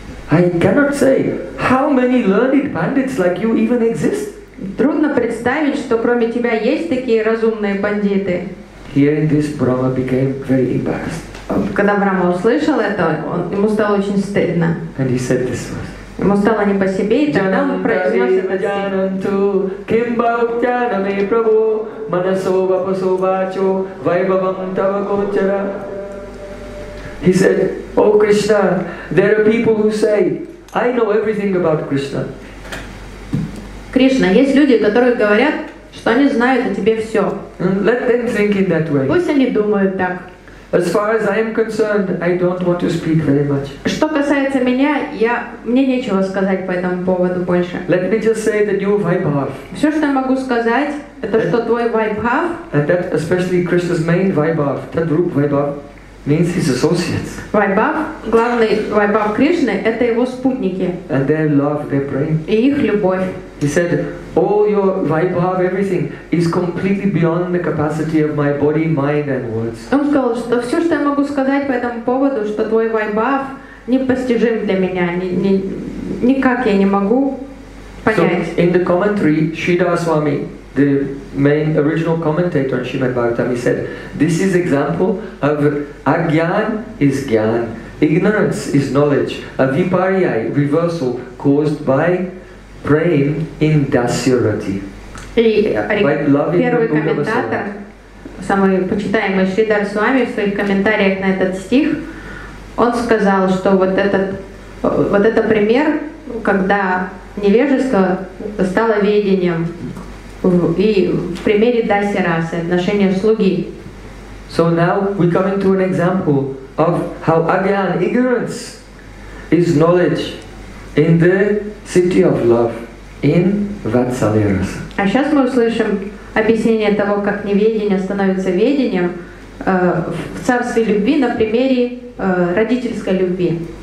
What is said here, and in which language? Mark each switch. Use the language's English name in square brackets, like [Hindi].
[English] I cannot say how many learned bandits like you even exist. [Russian] Трудно представить, что кроме тебя есть такие разумные бандиты. [English] Hearing this, Brahma became very embarrassed. [Russian] Когда Брама услышал это, ему стало очень стыдно. [English] And he said this was. [Russian] Ему стало не по себе, и тогда он произнес это стих. [English] He said, "Oh Krishna, there are people who say, I know everything about Krishna." [Russian] Кришна, есть люди, которые говорят, что они знают о тебе все. [English] Let them think in that way. [Russian] Пусть они думают так. [English] As far as I am concerned, I don't want to speak very much. [Russian] Что касается меня, мне нечего сказать по этому поводу больше. [English] Let me just say that your vaibhav. [Russian] Все, что я могу сказать, это что твой вайбхав. [English] And that especially Krishna's main vaibhav, tadrup vaibhav, means his associates. [Russian] Вайбхав, главный вайбхав Кришны, это его спутники. [English] And their love, their prem. [Russian] И их любовь. [English] He said, all your vaibhav, everything, is completely beyond the capacity of my body, mind, and words. [Russian] Он сказал, что все, что я могу сказать по этому поводу, что твой вайбхав непостижим для меня, никак я не могу понять. [English] So, in the commentary, Sridhar Swami, the main original commentator on Srimad Bhagavatam, he said, this is example of agyan is gyan, ignorance is knowledge, avipariyai, reversal, caused by Prem in Dasyarati. [Russian] Первый комментатор, самый почитаемый Шридар Свами в своих комментариях на этот стих, он сказал, что вот этот пример, когда невежество стало ведением, и в примере Дасирасы, отношение слуги. [English] So now we come into an example of how again ignorance is knowledge in the city of love. In Vatsalirasa. [Russian] А сейчас мы услышим объяснение того, как неведение становится ведением в царстве любви на примере родительской любви.